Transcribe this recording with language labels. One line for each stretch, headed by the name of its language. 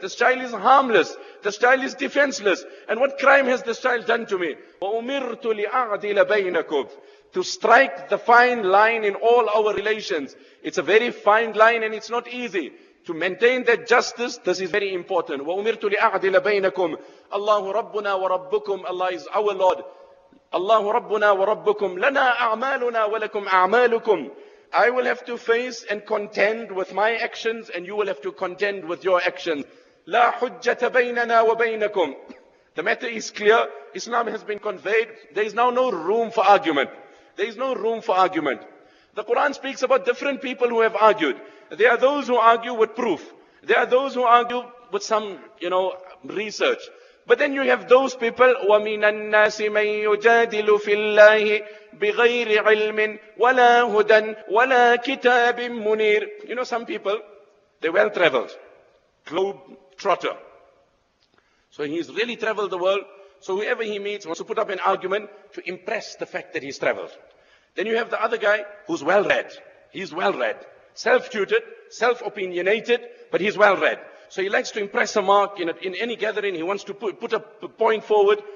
English: This child is harmless. This child is defenseless. And what crime has this child done to me?
Arabic: وَأُمِرْتُ لِأَعْدِلَ بَيْنَكُمْ
English: To strike the fine line in all our relations. It's a very fine line and it's not easy. To maintain that justice, this is very important.
Arabic: وَأُمِرْتُ لِأَعْدِلَ بَيْنَكُمْ اللَّهُ رَبُّنَا وَرَبُّكُمْ
English: Allah is our Lord.
Arabic: اللَّهُ رَبُّنَا وَرَبُّكُمْ لَنَا أَعْمَالُنَا وَلَكُمْ أَعْمَالُكُمْ
English: I will have to face and contend with my actions and you will have to contend with your actions.
Arabic: لَا حُجَّةَ بَيْنَنَا وَبَيْنَكُمْ
English: The matter is clear. Islam has been conveyed. There is now no room for argument. There is no room for argument. The Quran speaks about different people who have argued. There are those who argue with proof. There are those who argue with some, you know, research. But then you have those people,
Arabic: وَمِنَ النَّاسِ مَنْ يُجَادِلُ فِي اللَّهِ بِغَيْرِ عِلْمٍ وَلَا هُدًى وَلَا كِتَابٍ مُنِيرٍ
English: You know, some people, they're well-traveled. Globe-trotter. So he's really traveled the world. So whoever he meets wants to put up an argument to impress the fact that he's traveled. Then you have the other guy who's well-read. He's well-read. Self-tutored, self-opinionated, but he's well-read. So he likes to impress a mark in any gathering. He wants to put a point forward.